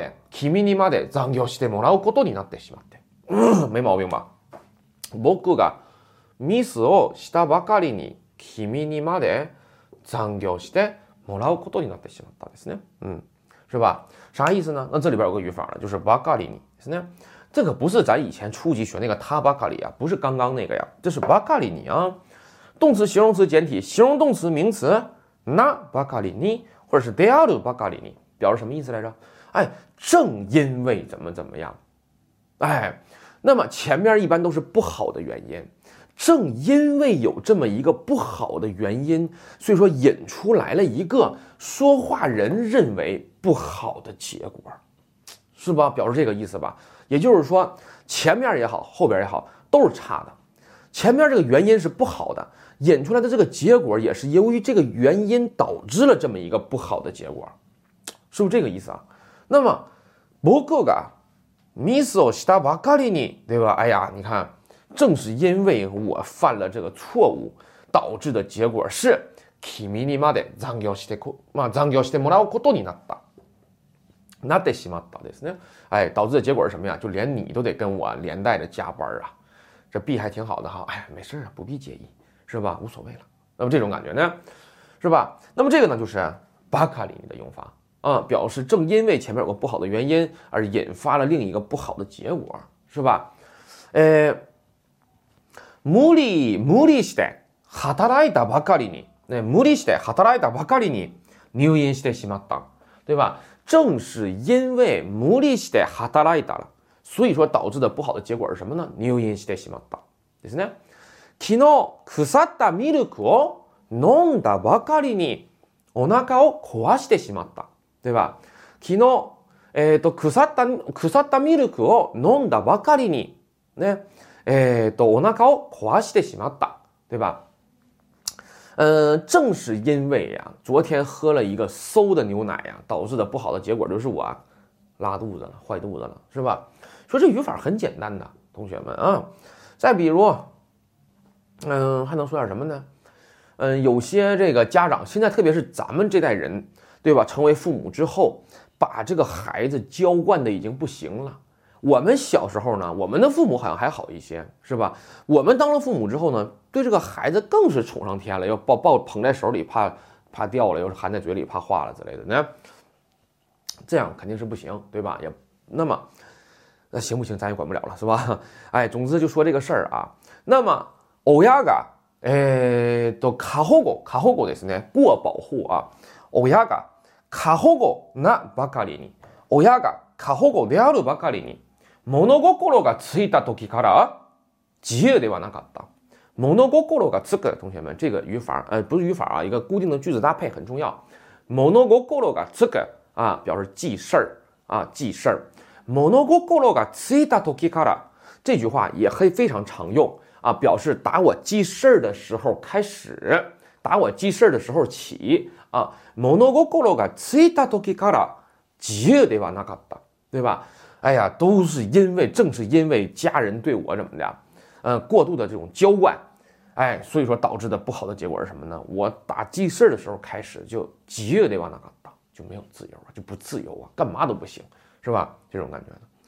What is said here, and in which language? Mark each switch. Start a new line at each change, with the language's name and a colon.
Japanese: 君にまで残業してもらうことになってしまって，
Chinese: 没毛病吧？
Japanese: 僕がミスをしたばかりに君にまで残業してもらうことになってしまったですね。
Chinese: 嗯，是吧？啥意思呢？那这里边有个语法了，就是ばかりに，是呢。这个不是咱以前初级学那个他ばかり啊，不是刚刚那个呀，这是ばかりに啊。动词、形容词简体，形容动词、名词なばかりに，或者是であるばかりに，表示什么意思来着？哎，正因为怎么怎么样。哎，那么前面一般都是不好的原因，正因为有这么一个不好的原因，所以说引出来了一个说话人认为不好的结果，是吧？表示这个意思吧。也就是说前面也好后边也好都是差的，前面这个原因是不好的，引出来的这个结果也是由于这个原因导致了这么一个不好的结果，是不是这个意思啊？
Japanese: 那么僕がミスをしたばかりに，
Chinese: 对吧？哎呀，你看，正是因为我犯了这个错误，导致的结果是
Japanese: 君にまで残業してこ、まあ、残業してもらうことになった。なってしまったですね。
Chinese: 哎，导致的结果是什么呀？就连你都得跟我连带着加班啊。这B还挺好的哈。哎，没事，不必介意，是吧？无所谓了。那么这种感觉呢，是吧？那么这个呢，就是バカリニ的用法。表示正因为前面有个不好的原因而引发了另一个不好的结果，是吧？
Japanese: 無理して働いたばかりに，ね、無理して働いたばかりに入院してしまった，
Chinese: 对吧？正是因为
Japanese: 無理して働いた
Chinese: 了，所以说导致的不好的结果是什么呢？
Japanese: 入院してしまったですね。昨日腐ったミルクを飲んだばかりにお腹を壊してしまった，
Chinese: 对吧？
Japanese: 昨日、腐ったミルクを飲んだばかりに、ね、お腹を壊してしまった，
Chinese: 对吧？正是因为呀、啊，昨天喝了一个馊的牛奶呀、啊，导致的不好的结果就是我拉肚子了，坏肚子了，是吧？说这语法很简单的，同学们啊。再比如，还能说点什么呢？有些这个家长现在，特别是咱们这代人，对吧？成为父母之后，把这个孩子娇惯的已经不行了。我们小时候呢，我们的父母好像还好一些，是吧？我们当了父母之后呢，对这个孩子更是宠上天了，要抱捧在手里，怕掉了，又是含在嘴里怕化了之类的。那这样肯定是不行，对吧？也那么，那行不行咱也管不了了，是吧？哎，总之就说这个事儿啊。那么，
Japanese: 親が過保護ですね，
Chinese: 过保护啊。
Japanese: 親が過保護なばかりに、親が過保護であるばかりに、物心がついた時から自由ではなかった。
Chinese: 物心がつく，同学们，这个语法，不是语法啊，一个固定的句子搭配很重要。物心がつく啊，表示记事儿啊，记事儿。
Japanese: 物心がついた時から，
Chinese: 这句话也可以非常常用啊，表示打我记事儿的时候开始，打我记事儿的时候起。
Japanese: 啊，物心がついた時から自由ではなかった，
Chinese: 对吧？哎呀，都是因为，正是因为家人对我怎么的，过度的这种娇惯，哎，所以说导致的不好的结果是什么呢？我打记事的时候开始就急着得往哪个打，就没有自由啊，就不自由啊，干嘛都不行，是吧？这种感觉的。